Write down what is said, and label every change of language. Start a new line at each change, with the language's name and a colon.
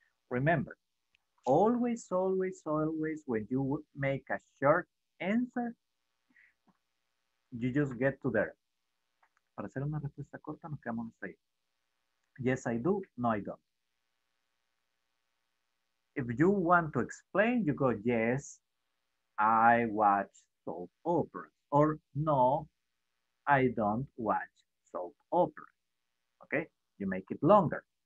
English: Remember, always, when you make a short answer, you just get to there.
Spanish: Para hacer una respuesta corta, nos quedamos hasta ahí.
English: Yes, I do. No, I don't. If you want to explain, you go, yes, I watch soap operas. Or no, I don't watch soap operas. Okay? You make it longer.